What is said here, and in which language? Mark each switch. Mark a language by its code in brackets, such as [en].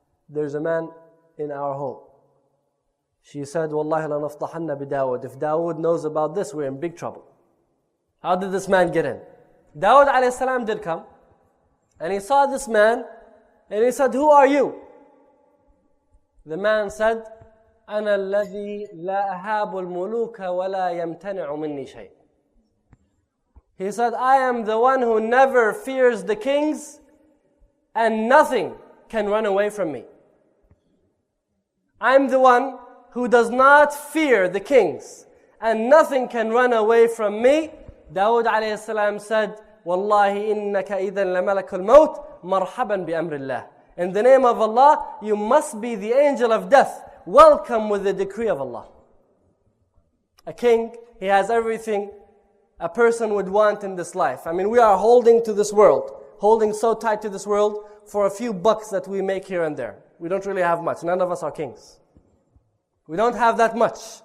[en] There's a man in our home. She said, [ar] Wallahi la naftahanna bi Dawood. [en] If Dawood knows about this, we're in big trouble. How did this man get in? Dawood alayhi salam did come, and he saw this man, and he said, who are you? The man said, [ar] أنا الذي لا أهاب الملوك ولا يمتنع مني شيء. [en] He said, I am the one who never fears the kings and nothing can run away from me. I'm the one who does not fear the kings and nothing can run away from me. Dawood alayhi salam said, [ar] والله إنك إذا لملك الموت مرحبا بأمر الله. [en] In the name of Allah, you must be the angel of death. Welcome with the decree of Allah. A king, he has everything a person would want in this life. I mean, we are holding to this world, holding so tight to this world for a few bucks that we make here and there. We don't really have much. None of us are kings. We don't have that much.